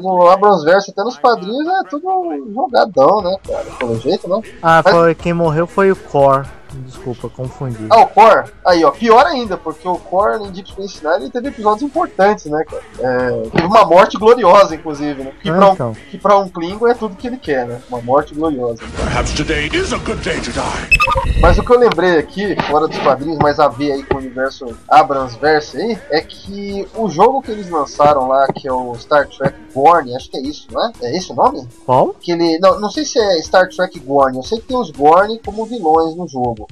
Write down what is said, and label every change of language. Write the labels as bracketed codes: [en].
[pt] No Abramsverse, até nos quadrinhos, é tudo jogadão, né, cara? Pelo jeito, né? Quem morreu foi o Kor. Desculpa, confundi. Ah, o Kor? Aí, ó, pior ainda, porque o Kor em Deep Space Nine teve episódios importantes, né, cara? Teve uma morte gloriosa, inclusive, né? Que pra um Klingon é tudo que ele quer, né? Uma morte gloriosa. [en] Perhaps today is a good day to die. [pt] Mas o que eu lembrei aqui, fora dos quadrinhos, mas a ver aí com o universo Abramsverse aí, é que o jogo que eles lançaram lá, que é o Star Trek Gorn, acho que é isso, não é? É esse o nome? Qual? Que ele... Não sei se é Star Trek Gorn, eu sei que tem os Gorn como vilões no jogo.